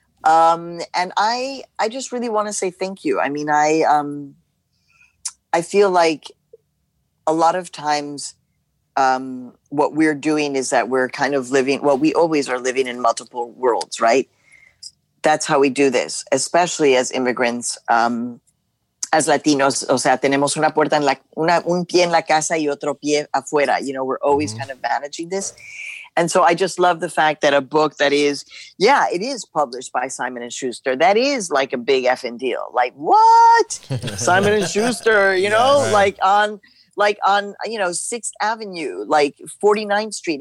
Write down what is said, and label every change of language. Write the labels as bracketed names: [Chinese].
[English] And I just really want to say thank you. I mean, I feel like a lot of times what we're doing is that we're kind of living, well, we always are living in multiple worlds, right? That's how we do this, especially as immigrants, as Latinos. [Spanish] O sea, tenemos una puerta en la, un pie en la casa y otro pie afuera. [English] You know, we're always kind of managing this. And so I just love the fact that a book that is, yeah, it is published by Simon & Schuster. That is like a big effing deal. Like, what? Simon & Schuster, you know, like on, you know, 6th Avenue, like 49th Street.